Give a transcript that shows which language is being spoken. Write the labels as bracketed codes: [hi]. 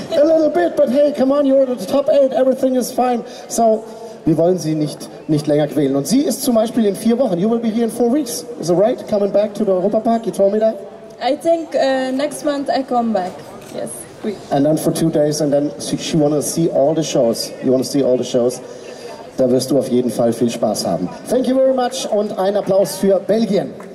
[en] A little bit, but hey, come on, you're the top 8, everything is fine. [de] So, wir wollen Sie nicht länger quälen. Und sie ist zum Beispiel in 4 Wochen. [en] You will be here in 4 weeks. Is it right? Coming back to the Europapark, you told me that? I think next month I come back, yes. And then for 2 days, and then she want to see all the shows. You want to see all the shows. [de] Da wirst du auf jeden Fall viel Spaß haben. [en] Thank you very much [de] und ein Applaus für Belgien.